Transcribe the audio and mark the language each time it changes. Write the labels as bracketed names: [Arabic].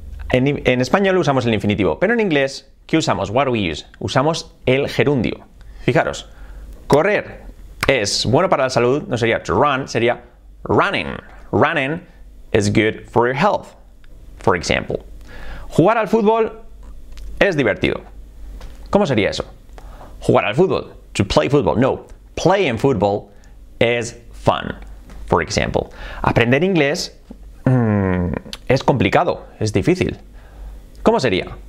[Spanish] En español usamos el infinitivo, pero en inglés, ¿qué usamos? [English] What do we use? [Spanish] Usamos el gerundio. Fijaros, correr es bueno para la salud, no sería to run, sería running. [English] Running is good for your health, for example. [Spanish] Jugar al fútbol es divertido. ¿Cómo sería eso? Jugar al fútbol, [English] to play football. No, playing football is fun, for example. [Spanish] Aprender inglés es complicado, es difícil. ¿Cómo sería?